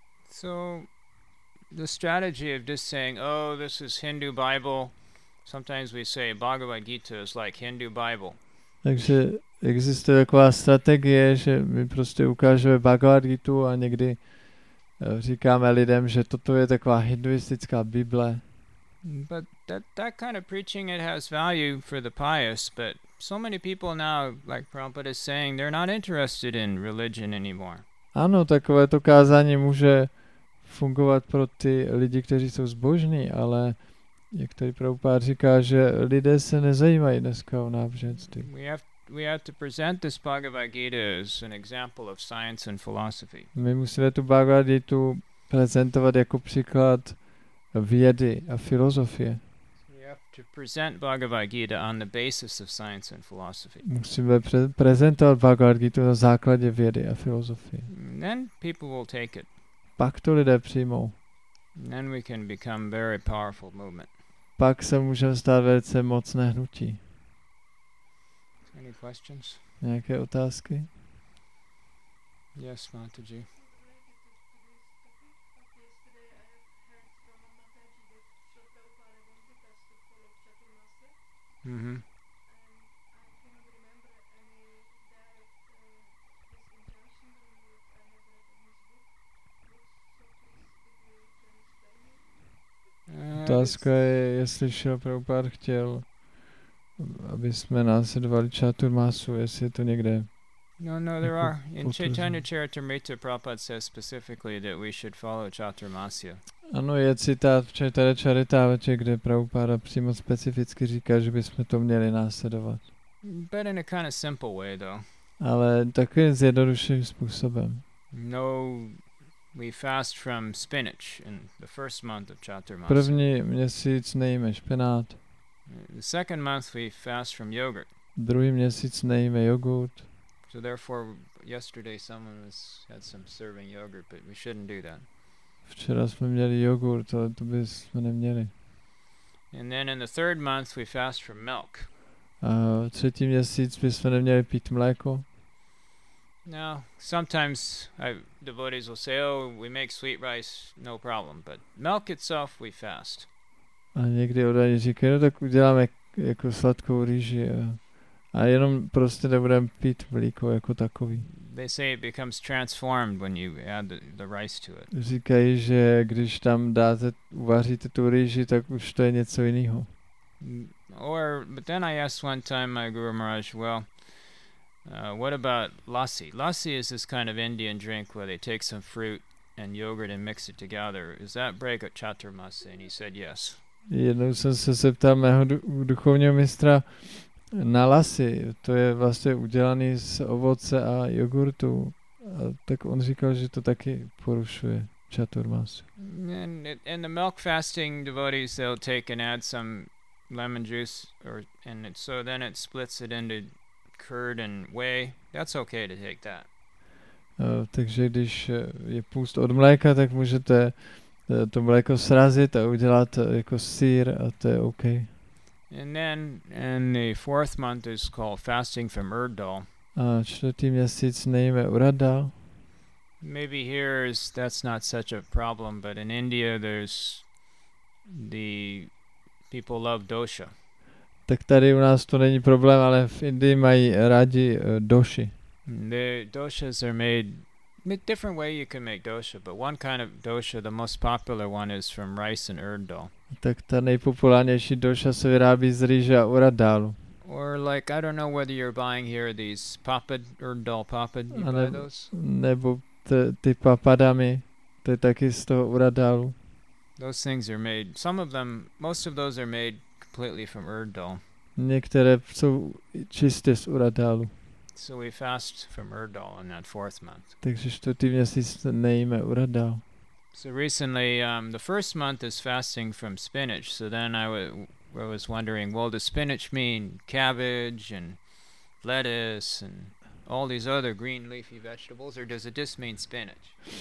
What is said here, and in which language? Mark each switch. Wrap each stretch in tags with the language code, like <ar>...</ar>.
<en>So the strategy of just saying, oh, this is Hindu Bible. Sometimes we say Bhagavad Gita is like Hindu Bible.</en> <cs>Takže existuje taková strategie, že my prostě ukážeme Bhagavad Gitu a někdy říkáme lidem, že toto je taková hinduistická Bible.</cs> <en>But that kind of preaching, it has value for the pious, but so many people now, like Prabhupada is saying, they're not interested in religion anymore.</en> <cs>Ano, takové to kázání může fungovat pro ty lidi, kteří jsou zbožní, ale jak tady Prabhupada říká, že lidé se nezajímají dneska o náboženství.</cs> <en>We have to present this Bhagavad Gita as an example of science and philosophy.</en> <cs>My musíme tu Bhagavad Gitu prezentovat jako příklad vědy a filozofie.</cs> <en>We have to present Bhagavad Gita on the basis of science and philosophy.</en> <cs>Musíme prezentovat Bhagavad Gitu na základě vědy a filozofie.</cs> <en>And then people will take it.</en> <cs>Pak to lidé přijmou.</cs> <en>And then we can become very powerful movement.</en> <cs>Pak se můžeme stát velice mocné hnutí.</cs> <en>Any questions?</en> <cs>Nějaké otázky?</cs> <en>Yes, Mataji. Mm-hmm.</en> <cs>otázka je, jestli Šila Prabhupád chtěl, aby jsme následovali Čaturmásu, jestli je to někde.</cs> <en>No, no, there are. In Chaitanya Charitamrita, Prabhupada says specifically that we should follow Chaturmasya.</en> <cs>Ano, je citát v Chaitanya Charitamrita, kde Prabhupada přímo specificky říká, že bychom to měli následovat.</cs> <en>But in a kind of simple way, though.</en> <cs>Ale takovým zjednodušeným způsobem.</cs> <en>No, we fast from spinach in the first month of Chaturmasya.</en> <cs>První měsíc nejíme špenát.</cs> <en>The second month we fast from yogurt.</en> <cs>Druhý měsíc nejíme jogurt.</cs> <en>So therefore, yesterday someone was had some serving yogurt, but we shouldn't do that.</en> <cs>Včera jsme měli jogurt, ale to bysme neměli.</cs> <en>And then in the third month we fast from milk.</en> <cs>A v třetí měsíc bysme neměli pít mléko.</cs> <en>Now, sometimes devotees will say, oh, we make sweet rice, no problem, but milk itself we fast.</en> <cs>A někdy oddaní říkají, no tak uděláme jako sladkou rýži a jenom prostě nebudeme pít mlíko jako takový.</cs> <en>They say it becomes transformed when you add the rice to it.</en> <cs>Říkají, že když tam dáte, uvaříte tu rýži, tak už to je něco jiného.</cs> <en>Or, but then I asked one time my Guru Maharaj, well, what about lassi? Lassi is this kind of Indian drink where they take some fruit and yogurt and mix it together. Is that break a chaturmasya? And he said yes.</en> <cs>Jednou jsem se zeptal mého duchovního mistra na lassi. To je vlastně udělaný z ovoce a jogurtu. A tak on říkal, že to taky porušuje chaturmasya.</cs> <en>And the milk fasting devotees, they'll take and add some lemon juice or and it, so then it splits it into curd and whey. That's okay to take that.</en> <cs>Takže když je půst od mléka, tak můžete to mléko srazit a udělat jako sýr a to je okay.</cs> <en>And then in the fourth month is called fasting from urd dal.</en> <cs>A čtvrtý měsíc nejíme urad dal.</cs> <en>Maybe here is that's not such a problem, but in India there's the people love dosha.</en> <cs>Tak tady u nás to není problém, ale v Indii mají rádi doši.</cs> <en>The doshas are made in different way you can make dosha, but one kind of dosha, the most popular one is from rice and urd dal.</en> <cs>Tak ta nejpopulárnější dosha se vyrábí z rýže a urad dalu.</cs> <en>Or like I don't know whether you're buying here these papad urd dal papad, you buy those?</en> <cs>Nebo ty papadami, to je taky z toho urad dalu.</cs> <en>Those things are made. Some of them, most of those are made completely from urd dal.</en> <cs>Některé jsou čisté z urad dalu.</cs> <en>So we fast from urd dal in that fourth month.</en> <cs>Takže čtvrtý měsíc nejíme urad dal.</cs> <en>So recently, the first month is fasting from spinach. So then I was wondering, well, does spinach mean cabbage and lettuce and all these other green leafy vegetables, or does it just mean spinach?</en>